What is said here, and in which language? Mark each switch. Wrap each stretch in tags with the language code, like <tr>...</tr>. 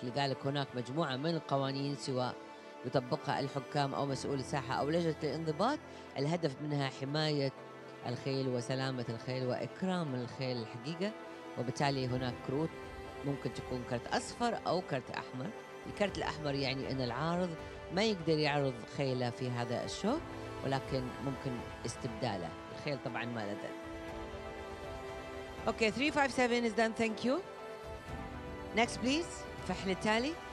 <ar>لذلك هناك مجموعة من القوانين سواء يطبقها الحكام أو مسؤول الساحة أو لجنة الانضباط الهدف منها حماية الخيل وسلامة الخيل وإكرام الخيل الحقيقة. وبالتالي هناك كروت ممكن تكون كرت أصفر أو كرت أحمر. الكرت الأحمر يعني أن العارض ما يقدر يعرض خيله في هذا الشو ولكن ممكن استبداله. الخيل طبعا ما لذل.</ar> <en>Okay 357 is done, thank you. Next please,</en> <ar>فحل التالي.</ar>